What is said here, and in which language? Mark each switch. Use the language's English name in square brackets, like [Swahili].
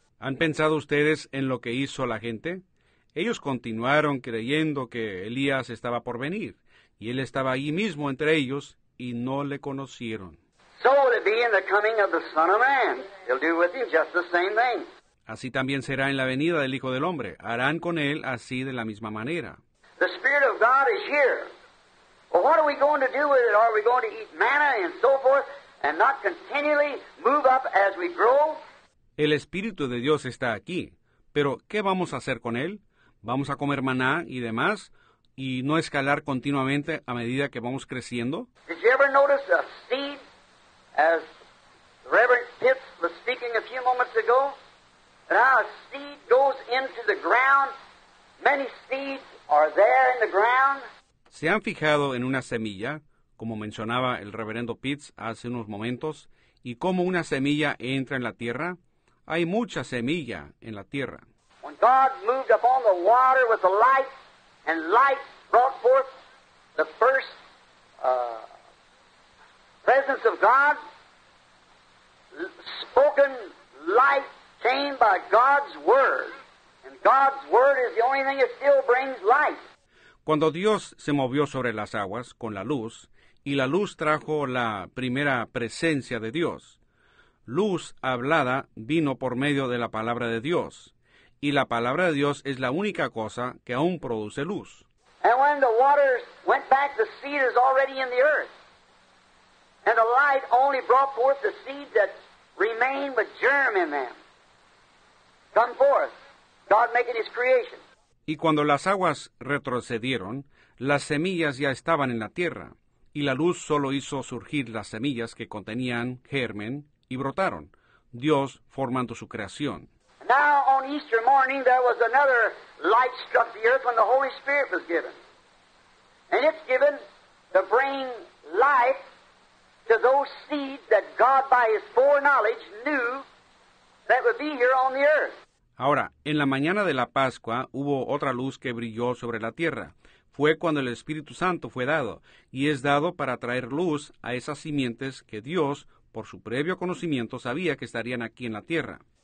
[Spanish] ¿Han pensado ustedes en lo que hizo la gente? Ellos continuaron creyendo que Elías estaba por venir, y él estaba ahí mismo entre ellos, y no le conocieron. [English] So will it be in the coming of the Son of Man. He'll do with him just the same thing. [Spanish] Así también será en la venida del Hijo del Hombre. Harán con él así de la misma manera. [English] The Spirit of God is here. Well, what are we going to do with it? Are we going to eat manna and so forth and not continually move up as we grow? [Spanish] El Espíritu de Dios está aquí. Pero, ¿qué vamos a hacer con él? ¿Vamos a comer maná y demás y no escalar continuamente a medida que vamos creciendo? [English] Did you ever notice a seed, as Reverend Pitts was speaking a few moments ago, that a seed goes into the ground? Many seeds are there in the ground. [Spanish] ¿Se han fijado en una semilla, como mencionaba el Reverendo Pitts hace unos momentos, y cómo una semilla entra en la tierra? Hay mucha semilla en la tierra. [English] When God moved upon the water with the light, and light brought forth the first presence of God, spoken light came by God's word, and God's word is the only thing that still brings life. [Spanish] Cuando Dios se movió sobre las aguas con la luz, y la luz trajo la primera presencia de Dios, luz hablada vino por medio de la palabra de Dios, y la palabra de Dios es la única cosa que aún produce luz. [English] And when the waters went back, the seed is already in the earth, and the light only brought forth the seed that remained with germ in them. Come forth, God making his creation. [Spanish] Y cuando las aguas retrocedieron, las semillas ya estaban en la tierra, y la luz solo hizo surgir las semillas que contenían germen y brotaron, Dios formando su creación. [English] Now on Easter morning there was another light struck the earth when the Holy Spirit was given. And it's given to bring life to those seeds that God by his foreknowledge knew that would be here on the earth. [Spanish] Ahora, en la mañana de la Pascua hubo otra luz que brilló sobre la tierra. Fue cuando el Espíritu Santo fue dado, y es dado para traer luz a esas simientes que Dios, por su previo conocimiento, sabía que estarían aquí en la tierra.